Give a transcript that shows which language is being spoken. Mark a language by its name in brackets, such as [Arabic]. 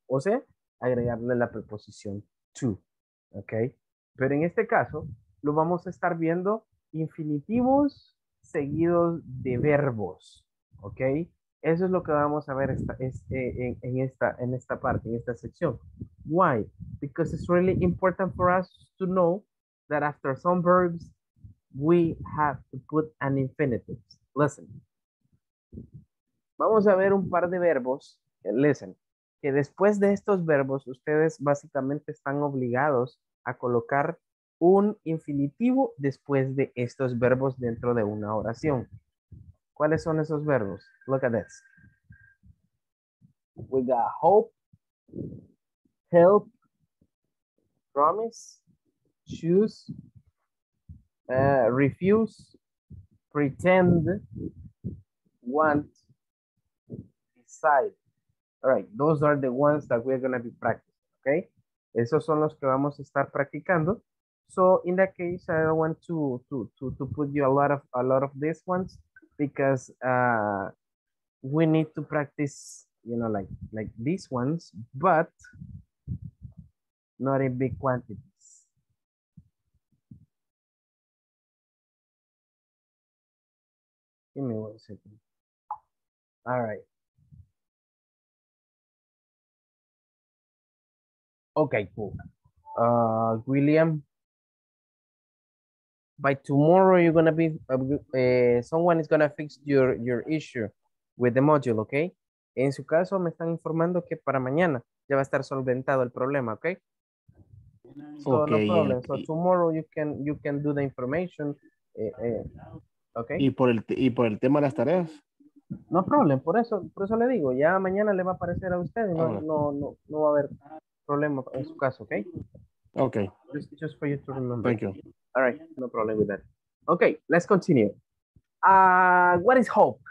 [Spanish] O sea, agregarle la preposición to. ¿Ok? Pero en este caso, lo vamos a estar viendo infinitivos seguidos de verbos. ¿Ok? Eso es lo que vamos a ver en esta parte, en esta sección. [English] Why? Because it's really important for us to know that after some verbs, we have to put an infinitive. Listen. [Spanish] Vamos a ver un par de verbos. Listen. Que después de estos verbos, ustedes básicamente están obligados a colocar un infinitivo después de estos verbos dentro de una oración. ¿Cuáles son esos verbos? [English] Look at this. We got hope, help, promise, choose, refuse, pretend, want, decide. All right, those are the ones that we're going to be practicing, okay? [Spanish] Esos son los que vamos a estar practicando. [English] So in that case, I don't want to put you a lot of these ones, because we need to practice, you know, like these ones, but not in big quantities. Give me 1 second. All right. Okay, cool. William, by tomorrow you're gonna be someone is gonna fix your issue with the module, okay? [Spanish] En su caso me están informando que para mañana ya va a estar solventado el problema, okay? [English] So okay, no problem. Yeah. So tomorrow you can do the information, okay? [Spanish] Y por el tema de las tareas. [English] No problem. [Spanish] Por eso le digo, ya mañana le va a aparecer a usted. No va a haber problema en su caso, okay? [English] Okay. Just for you to remember. Thank you. All right, no problem with that. Okay, let's continue. What is hope?